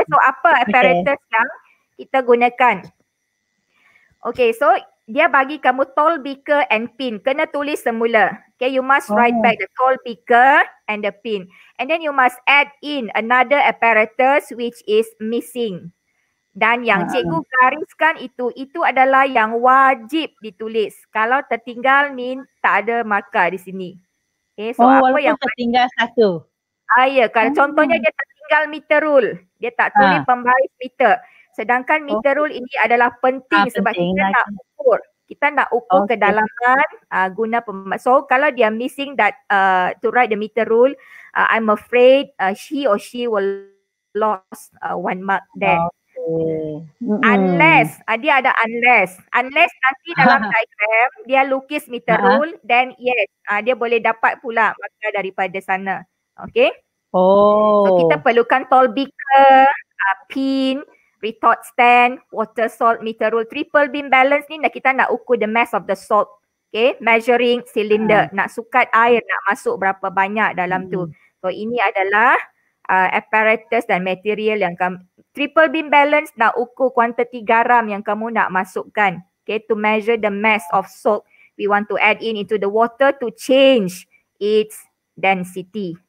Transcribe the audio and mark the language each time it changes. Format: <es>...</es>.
<ms>So apa apparatus yang kita gunakan? Okay, so dia bagi kamu toll beaker and pin. Kena tulis semula.</ms> <en>Okay, you must write back the toll beaker and the pin. And then you must add in another apparatus which is missing.</en> <ms>Dan yang cikgu gariskan itu, itu adalah yang wajib ditulis. Kalau tertinggal, mean tak ada markah di sini. Okay, so apa yang tertinggal wajib? Satu. Ya, kalau contohnya dia tertinggal meter rule. Dia tak tulis pembaris meter. Sedangkan meter rule ini adalah penting sebab penting. Kita nak ukur. Kita nak ukur kedalaman guna pembaris. So kalau dia</ms> <en>missing that to write the meter rule, I'm afraid she or she will lost one mark then.</en> <ms>Unless, dia ada unless. Unless nanti dalam diagram dia lukis meter rule, then yes, dia boleh dapat pula markah daripada sana. Okay. Oh. So kita perlukan toll beaker, pin, retort stand, water salt meter rule, triple beam balance ni nak kita nak ukur</ms> <en>the mass of the salt.</en> <ms>Okay, measuring cylinder, nak sukat air nak masuk berapa banyak dalam tu. So ini adalah apparatus dan material yang kamu, triple beam balance nak ukur quantity garam yang kamu nak masukkan.</ms> <en>Okay, to measure the mass of salt we want to add in into the water to change its density.</en>